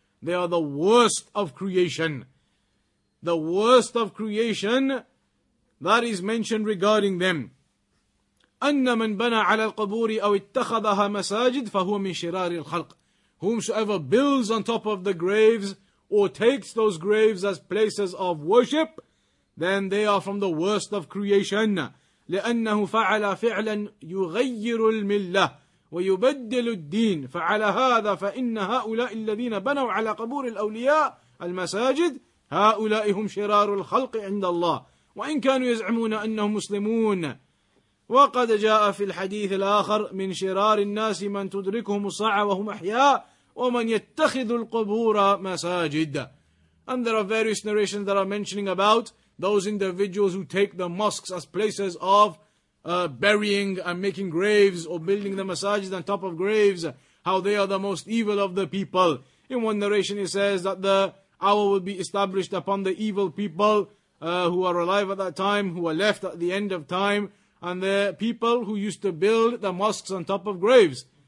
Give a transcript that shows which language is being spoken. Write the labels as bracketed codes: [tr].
[en] They are the worst of creation. The worst of creation that is mentioned regarding them. [ar] أَنَّ مَنْ بَنَى عَلَى الْقَبُورِ أَوْ اتَّخَذَهَا مَسَاجِدْ فَهُوَ مِنْ شِرَارِ الْخَلْقِ. [en] Whomsoever builds on top of the graves or takes those graves as places of worship, then they are from the worst of creation. [ar] لأنه فعل فعلا يغير الملة ويبدل الدين فعلى هذا فإن هؤلاء الذين بنوا على قبور الأولياء المساجد هؤلاء هم شرار الخلق عند الله وإن كانوا يزعمون أنهم مسلمون وقد جاء في الحديث الآخر من شرار الناس من تدركهم الصاعة وهم أحياء ومن يتخذ القبور مساجد. [en] And there are various narrations that are mentioning about those individuals who take the mosques as places of burying and making graves or building the masajid on top of graves, how they are the most evil of the people. In one narration it says that the hour will be established upon the evil people who are alive at that time, who are left at the end of time, and the people who used to build the mosques on top of graves.